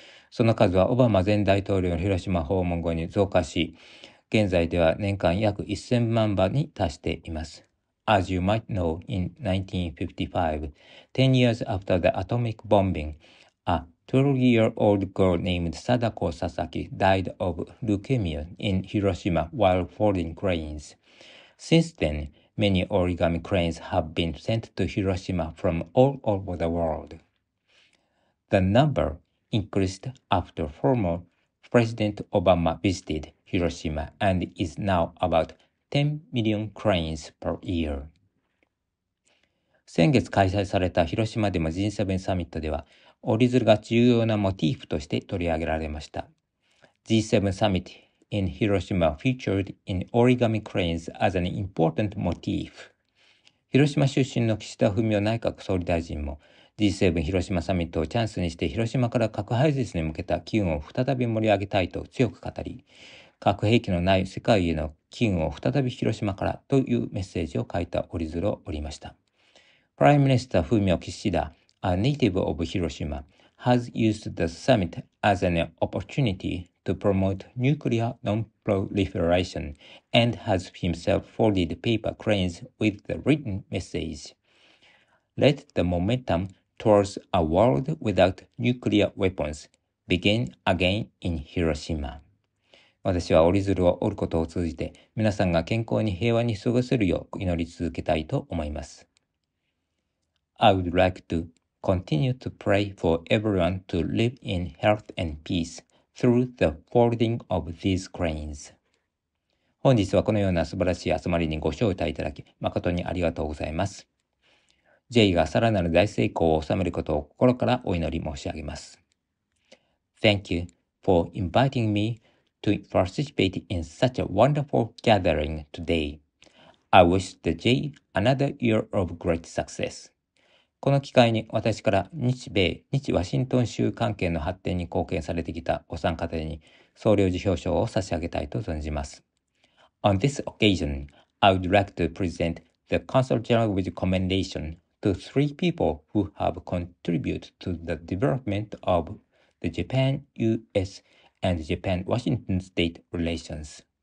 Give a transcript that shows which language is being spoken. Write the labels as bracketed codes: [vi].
[ja] その数はオバマ前大統領の広島訪問後に増加し、現在では年間約1000万羽に達しています。 [en] As you might know, in 1955, 10 years after the atomic bombing, a 12-year-old girl named Sadako Sasaki died of leukemia in Hiroshima while folding cranes. Since then,Many origami cranes have been sent to Hiroshima from all over the world. The number increased after former President Obama visited Hiroshima and is now about 10 million cranes per year. [ja] 先月開催された広島でも G7 サミットでは、折り鶴が重要なモチーフとして取り上げられました。 [en] G7 summit in Hiroshima featured in origami cranes as an important motif. [ja] 広島出身の岸田文雄内閣総理大臣も G7 広島サミットをチャンスにして広島から核廃絶に向けた機運を再び盛り上げたいと強く語り、核兵器のない世界への機運を再び広島からというメッセージを書いた折り鶴を折りました。 [en] Prime Minister 文雄岸田、a native of Hiroshima, has used the summit as an opportunity to promote nuclear non-proliferation and has himself folded paper cranes with the written message. Let the momentum towards a world without nuclear weapons begin again in Hiroshima. [ja] 私は折り鶴を折ることを通じて、皆さんが健康に平和に過ごせるよう祈り続けたいと思います。 [en] I would like to continue to pray for everyone to live in health and peace through the folding of these cranes. [ja] 本日はこのような素晴らしい集まりにご招待いただき、誠にありがとうございます。 J がさらなる大成功を収めることを心からお祈り申し上げます。 [en] Thank you for inviting me to participate in such a wonderful gathering today. I wish the J another year of great success. [ja] この機会に私から日ワシントン州関係の発展に貢献されてきたお三方に総領事表彰を差し上げたいと存じます。 [en] On this occasion, I would like to present the Consulate-General with commendationto three people who have contributed to the development of the Japan-US and Japan-Washington State relations.